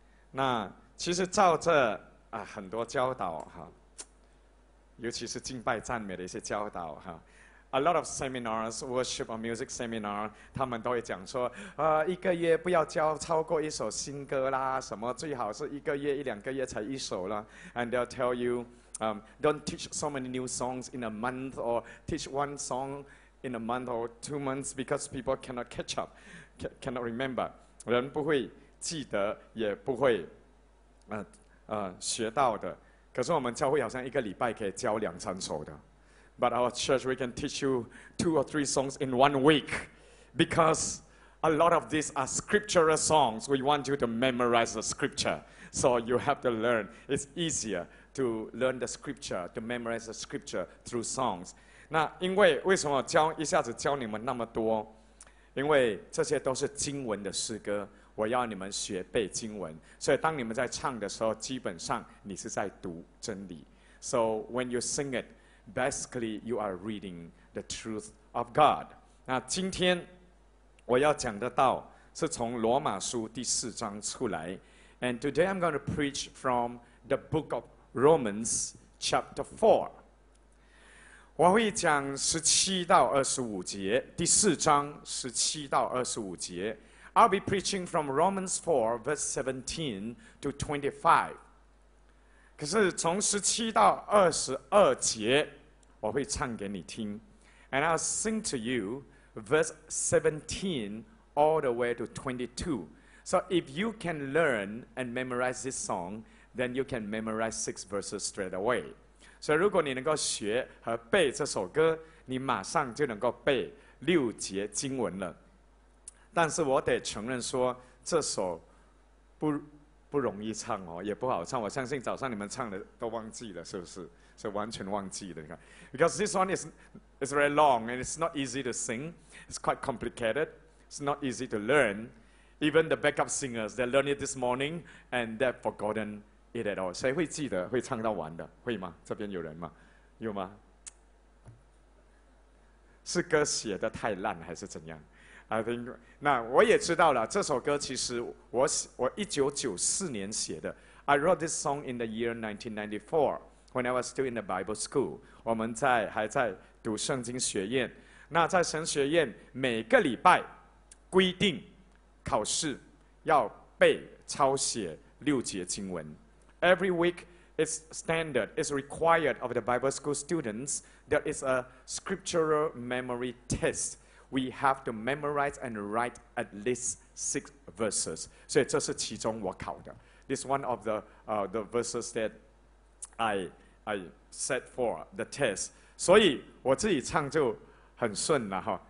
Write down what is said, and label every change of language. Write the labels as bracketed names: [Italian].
[Chinese] 那其实照着、很多教导、尤其是敬拜赞美的一些教导、 [English] A lot of seminars, worship or music seminar, [Chinese] 他们都会讲说、一个月不要教超过一首新歌啦，什么最好是一个月一两个月才一首啦。 [English] And they'll tell you、don't teach so many new songs in a month, or teach one song in a month or 2 months, because people cannot catch up, cannot remember. [Chinese] 人不会记得，也不会学到的。可是我们教会好像一个礼拜可以教两三首的。 [English] But our church, we can teach you 2 or 3 songs in 1 week, because a lot of these are scriptural songs. We want you to memorize the scripture, so you have to learn. It's easier to learn the scripture, to memorize the scripture through songs. [Chinese] 那因为为什么教一下子教你们那么多，因为这些都是经文的诗歌，我要你们学背经文，所以当你们在唱的时候，基本上你是在读真理。 [English] So when you sing it, basically you are reading the truth of God. [Chinese] 那今天我要讲的道是从罗马书第四章出来。 [English] And today I'm going to preach from the book of Romans chapter 4. [Chinese] 我会讲17-25节，第四章17-25节。 [English] I'll be preaching from Romans 4, verse 17 to 25. [Chinese] 可是从17-22节，我会唱给你听。 [English] And I'll sing to you verse 17 all the way to 22. So if you can learn and memorize this song, then you can memorize 6 verses straight away. [Chinese] 所以如果你能够学和背这首歌，你马上就能够背六节经文了。但是我得承认说，这首 不容易唱哦，也不好唱。我相信早上你们唱的都忘记了，是不是？是完全忘记了。你看 [English] ，because this one is very long and it's not easy to sing. It's quite complicated. It's not easy to learn. Even the backup singers, they learned it this morning and they've forgotten it at all. [Chinese] 谁会记得会唱到完的？会吗？这边有人吗？有吗？是歌写的太烂还是怎样？ [English] I think, [Chinese] 那我也知道了，这首歌其实 我1994年写的。 [English] I wrote this song in the year 1994 when I was still in the Bible school. [Chinese] 我们在还在读圣经学院。那在神学院每个礼拜规定考试要背抄写六节经文。 [English] Every week it's standard, it's required of the Bible school students that it's a scriptural memory test. We have to memorize and write at least 6 verses. [Chinese] 所以这是其中我考的。 [English] This one of the verses that I set for the test. [Chinese] 所以我自己唱就很顺了哈。